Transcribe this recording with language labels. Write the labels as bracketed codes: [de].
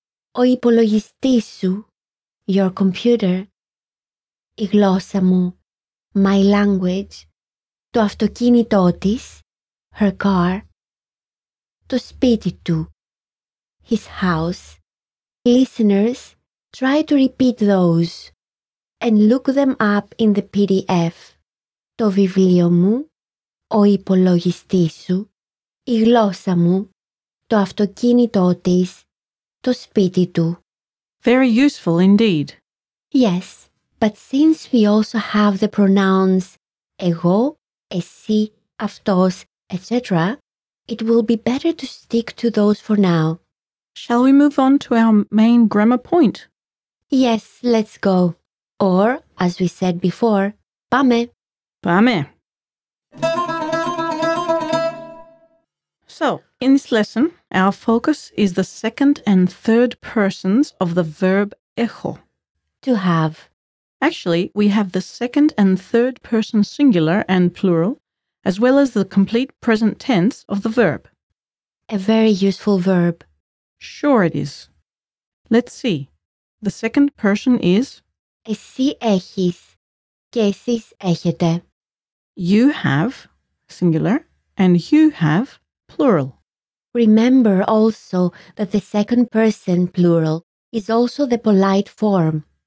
[el] Ο υπολογιστής σου, [en] your computer. [el] Η γλώσσα μου, [en] my language. [el] Το αυτοκίνητό της, [en] her car. [el] Το σπίτι του, [en] his house. Listeners, try to repeat those and look them up in the PDF. [el] Το βιβλίο μου, ο υπολογιστής σου, η γλώσσα μου, το αυτοκίνητό της, το σπίτι του. [en] Very useful indeed. Yes, but since we also have the pronouns [el] εγώ, εσύ, αυτός, [en] etc., it will be better to stick to those for now. Shall we move on to our main grammar point? Yes, let's go. Or, as we said before, πάμε. [el] Πάμε. [en] So, in this lesson, our focus is the second and third persons of the verb έχω. To have. Actually, we have the second and third person singular and plural, as well as the complete present tense of the verb. A very useful verb. Sure it is. Let's see. The second person is... [el] Εσύ έχεις και εσείς έχετε. [en] You have, singular, and you have, plural. Remember also that the second person, plural, is also the polite form.